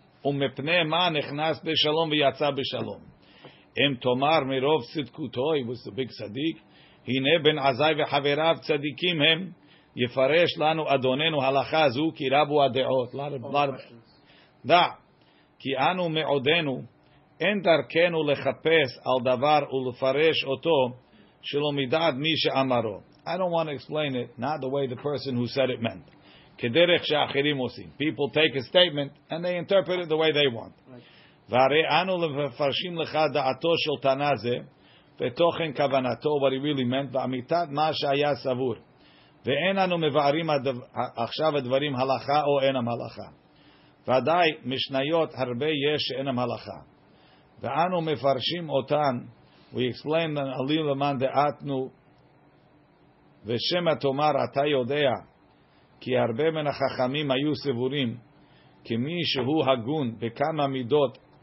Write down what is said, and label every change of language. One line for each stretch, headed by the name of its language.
Hebrew: ומפנה מה נכנס בשלום ויצא בשלום. אם תאמר מרוב צדקותו,
English: he was a big
Hebrew: צדיק, הנה בן עזאי וחבריו צדיקים הם, יפרש לנו אדוננו הלכה הזו, כי רבו הדעות. דע, כי אנו מעודנו, אין דרכנו לחפש על דבר ולפרש אותו, שלא מדעת מי שאמרו.
English: I don't want to explain it, not the way the person who said it meant.
Hebrew: כדרך שאחרים עושים.
English: People take a statement and they interpret it the way they want.
Hebrew: והרי אנו מפרשים לך דעתו של תנא זה ותוכן כוונתו,
English: what he really meant,
Hebrew: ואמיתת מה שהיה סבור. ואין אנו מבארים עכשיו הדברים הלכה או אינם הלכה. ודאי משניות הרבה יש שאינם הלכה. ואנו מפרשים אותן,
English: we explain them,
Hebrew: עלים למען דעתנו, ושמה תאמר, אתה יודע, כי הרבה מן החכמים היו סבורים, כמי שהוא הגון בכמה מידות